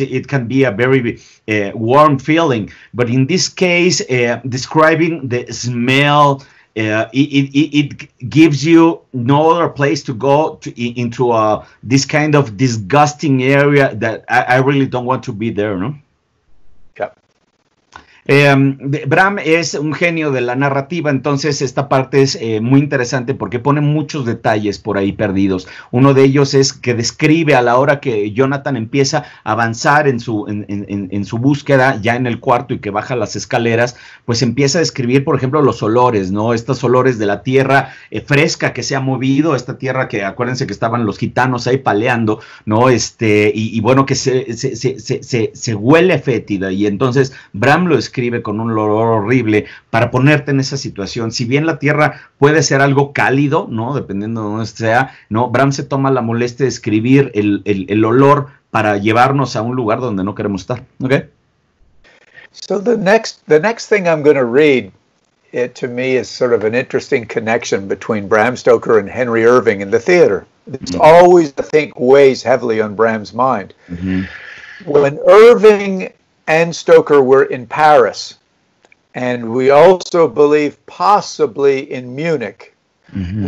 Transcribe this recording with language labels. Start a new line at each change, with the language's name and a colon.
English: It can be a very warm feeling. But in this case, describing the smell, it gives you no other place to go into this kind of disgusting area that I really don't want to be there, no?
Spanish: Bram es un genio de la narrativa, entonces esta parte es muy interesante porque pone muchos detalles por ahí perdidos. Uno de ellos es que describe a la hora que Jonathan empieza a avanzar en su búsqueda, ya en el cuarto y que baja las escaleras, pues empieza a describir, por ejemplo, los olores, ¿no? Estos olores de la tierra fresca que se ha movido, esta tierra que acuérdense que estaban los gitanos ahí paleando, ¿no? Y bueno, que se huele fétida, y entonces Bram lo escribe con un olor horrible para ponerte en esa situación. Si bien la tierra puede ser algo cálido, ¿no? Dependiendo de dónde sea, ¿no? Bram se toma la molestia de escribir el olor para llevarnos a un lugar donde no queremos estar. ¿Ok?
English: So the next thing I'm going to read, it to me is sort of an interesting connection between Bram Stoker and Henry Irving in the theater. It's mm-hmm. always, I think, weighs heavily on Bram's mind. Mm-hmm. When Irving and Stoker were in Paris, and we also believe possibly in Munich, mm-hmm.